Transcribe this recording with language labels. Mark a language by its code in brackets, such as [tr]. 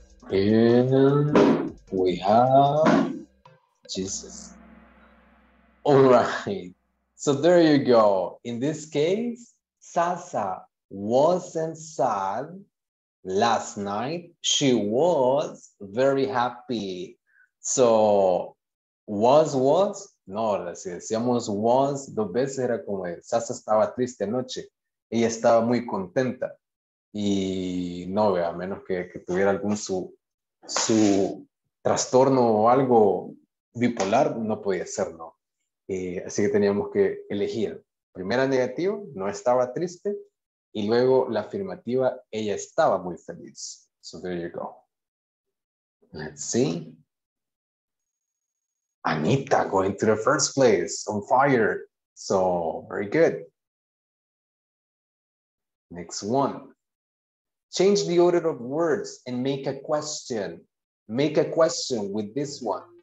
[en] And we have Jesus. All right, so there you go. In this case, Sasa wasn't sad last night. She was very happy. So was, [es] no, si decíamos was, dos veces era como Sasa estaba triste anoche. Ella estaba muy contenta. Y no, a menos que tuviera algún su trastorno o algo bipolar, no podía ser, no. Así que teníamos que elegir. Primera negativa, no estaba triste. Y luego la afirmativa, ella estaba muy feliz. [en] So there you go. Let's see. Anita going to the first place on fire. So very good. Next one. Change the order of words and make a question. Make a question with this one.